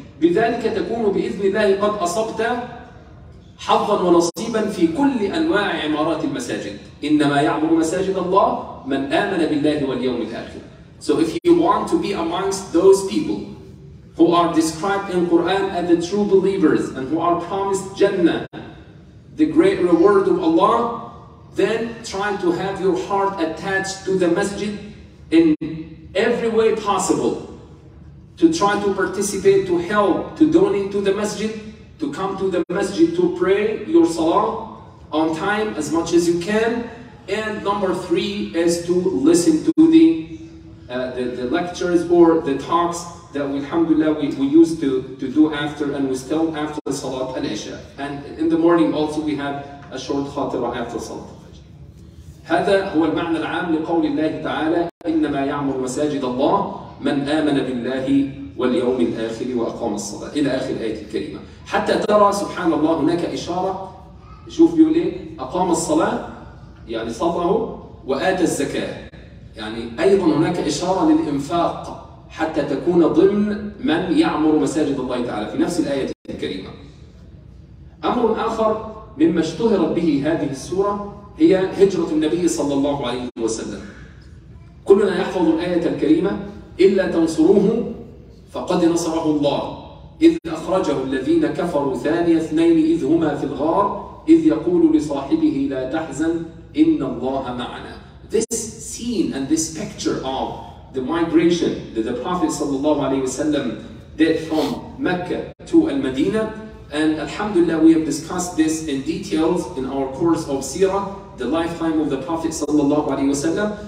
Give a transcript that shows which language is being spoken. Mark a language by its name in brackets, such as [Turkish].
[Arabic] بذلك تكون بإذن الله قد أصبت حظا ونصيبا في كل أنواع عمارات المساجد. إنما يعمر مساجد الله من آمن بالله واليوم الآخر. [English] So if you want to be amongst those people who are described in Quran as the true believers and who are promised Jannah, the great reward of Allah, then try to have your heart attached to the masjid in every way possible. To try to participate, to help, to donate to the masjid, to come to the masjid to pray your salah on time as much as you can. And number three is to listen to the lectures or the talks that we, alhamdulillah, we used to do after, and we still after the Salat al-Isha. And in the morning also we have a short khatibah after Salat al-Fajr. [Arabic] هذا هو المعنى العام لقول الله تعالى إنما يعمر مساجد الله من آمن بالله واليوم الآخر وأقام الصلاة إلى آخر الآية الكريمة. حتى ترى سبحان الله هناك إشارة, شوف بيقول إيه, أقام الصلاة يعني صلاه وآتى الزكاة, يعني أيضا هناك إشارة للإنفاق حتى تكون ضمن من يعمر مساجد الله تعالى في نفس الآية الكريمة. أمر آخر مما اشتهرت به هذه السورة هي هجرة النبي صلى الله عليه وسلم. كلنا يحفظ الآية الكريمة: إلا تنصروه فقد نصره الله إذ أخرجه الذين كفروا ثاني اثنين إذ هما في الغار إذ يقول لصاحبه لا تحزن إن الله معنا. [English] This scene and this picture of the migration that the Prophet [Arabic] صلى الله عليه وسلم [English] did from Mecca to Al-Madinah. And alhamdulillah, we have discussed this in details in our course of Sirah, the lifetime of the Prophet sallallahu alaihi wasallam.